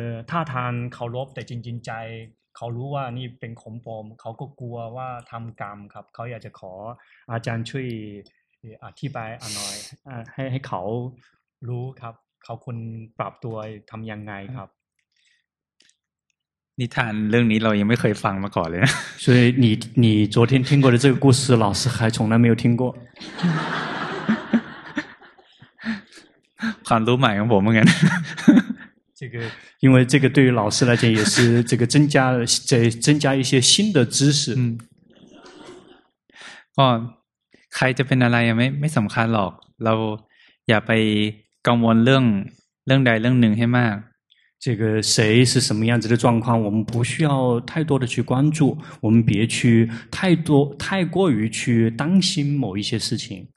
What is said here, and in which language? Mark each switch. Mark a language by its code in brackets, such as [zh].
[th] ท่าทางเคารพแต่จริงๆใจเขารู้ว่านี่เป็นของปลอมเขาก็กลัวว่าทำกรรมครับเขาอยากจะขออาจารย์ช่วยอธิบายหน่อยให้เขารู้ครับเขาควรปรับตัวทำยังไงครับ นิทานเรื่องนี้เรายังไม่เคยฟังมาก่อนเลยนะ [zh] 所以你昨天听过的这个故事老师还从来没有听过 [th] ความรู้ใหม่ของผมเหมือนกัน [zh] 这个，因为这个对于老师来讲也是这个增加一些新的知识。嗯。 [th] 哦，ใครจะเป็นอะไรไม่สำคัญหรอกเราอย่าไปกังวลเรื่องใดเรื่องหนึ่งให้มาก。 [zh] 这个谁是什么样子的状况，我们不需要太多的去关注，我们别去太过于去担心某一些事情。